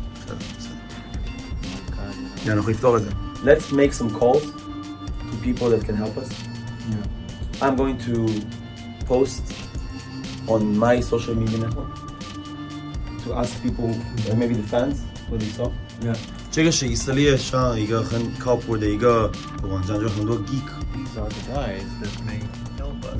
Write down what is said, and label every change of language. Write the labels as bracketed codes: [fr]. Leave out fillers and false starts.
[en] Oh my God. Yeah, no, we've talked about that. Let's make some calls to people that can help us. Yeah. I'm going to post on my social media network to ask people, or maybe the fans, what they saw. Yeah. [zh] 这个是以色列上一个很靠谱的一个网站，就很多 geek。 [en] These are the guys that may help us.